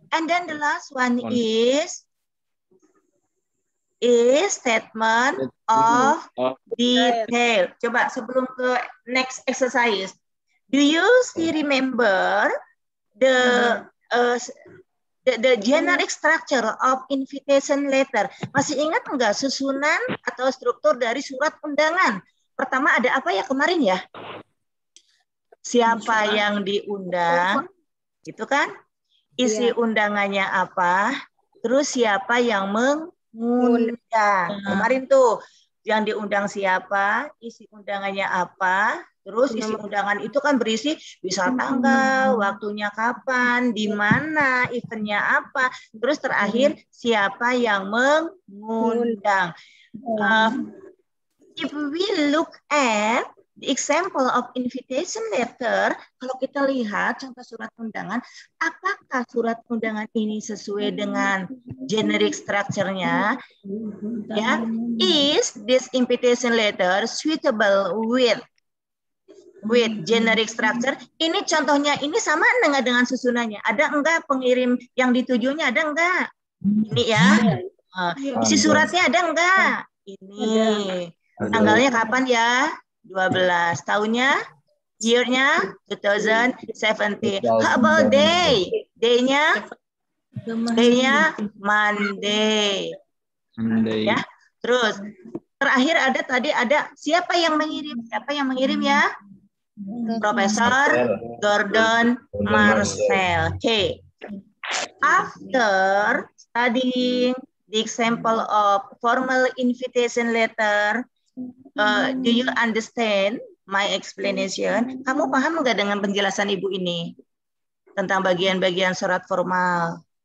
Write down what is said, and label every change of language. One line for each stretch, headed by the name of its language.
English: And then the last one is statement of detail.
Indonesian: Coba sebelum ke
English: next exercise. Do you still remember the generic structure of invitation letter?
Indonesian: Masih ingat enggak susunan atau struktur dari surat undangan? Pertama ada apa ya kemarin ya? Siapa yang diundang? Gitu kan? Isi undangannya apa? Terus siapa yang mengundang? Kemarin tuh yang diundang siapa? Isi undangannya apa? Terus isi undangan itu kan berisi bisa tanggal, waktunya kapan, di mana, eventnya apa. Terus terakhir siapa yang mengundang.
English: If we look at the example of invitation letter,
Indonesian: kalau kita lihat contoh surat undangan, apakah surat undangan ini sesuai dengan generic structure-nya?
English: Ya, is this invitation letter suitable with generic structure.
Indonesian: Ini contohnya, ini sama enggak dengan susunannya? Ada enggak pengirim yang ditujunya? Ada enggak? Ini ya. Isi suratnya ada enggak? Ini. Tanggalnya kapan ya? 12. Tahunnya? Year-nya?
English: 2017. How about day? Day-nya? Day-nya? Monday. Monday.
Indonesian: Ya? Terus. Terakhir ada tadi, ada siapa yang mengirim? Siapa yang mengirim ya? Profesor Gordon Marcel. Okay.
English: After studying the example of formal invitation letter, do you understand my explanation?
Indonesian: Kamu paham nggak dengan penjelasan ibu ini tentang bagian-bagian surat formal?